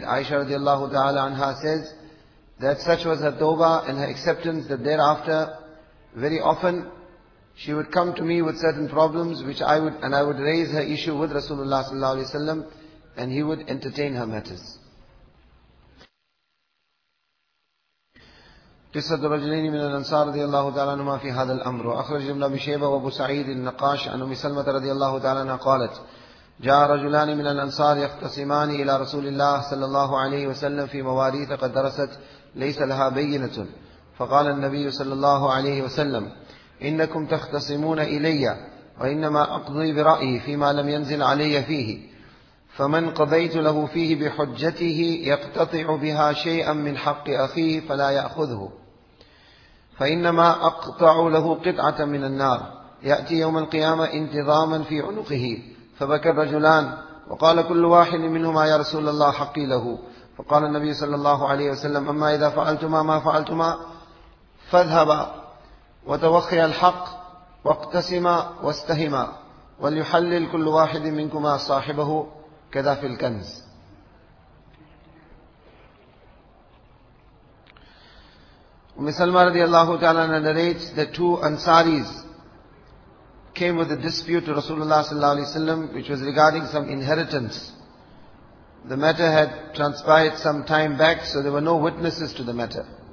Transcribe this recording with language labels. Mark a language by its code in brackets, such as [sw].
[en] Aisha radiallahu ta'ala anha says that such was her tawbah and her acceptance, that thereafter, very often, she would come to me with certain problems, which I would, and I would raise her issue with Rasulullah sallallahu alayhi wa sallam, and he would entertain her matters. [ar] قصة رجلين من الأنصار رضي الله تعالى عنهما في هذا الأمر. وأخرج ابن أبي شيبة وأبو سعيد النقاش عن أم سلمة رضي الله تعالى عنها قالت: جاء رجلان من الأنصار يختصمان إلى رسول الله صلى الله عليه وسلم في مواريث قد درست ليس لها بينة، فقال النبي صلى الله عليه وسلم: إنكم تختصمون إلي وإنما أقضي برأيي فيما لم ينزل علي فيه، فمن قضيت له فيه بحجته يقتطع بها شيئا من حق أخيه فلا يأخذه، فإنما أقطع له قطعة من النار يأتي يوم القيامة انتظاما في عنقه. فبكى الرجلان وقال كل واحد منهما: يا رسول الله حقي له. فقال النبي صلى الله عليه وسلم: أما إذا فعلتما ما فعلتما فاذهبا وتوخيا الحق واقتسما واستهما، وليحلل كل واحد منكما صاحبه كذا في الكنز. أم سلمة رضي الله تعالى عنها [en] narrates that two Ansaris came with a dispute to Rasulullah sallallahu alaihi wasallam, which was regarding some inheritance. The matter had transpired some time back, so there were no witnesses to the matter.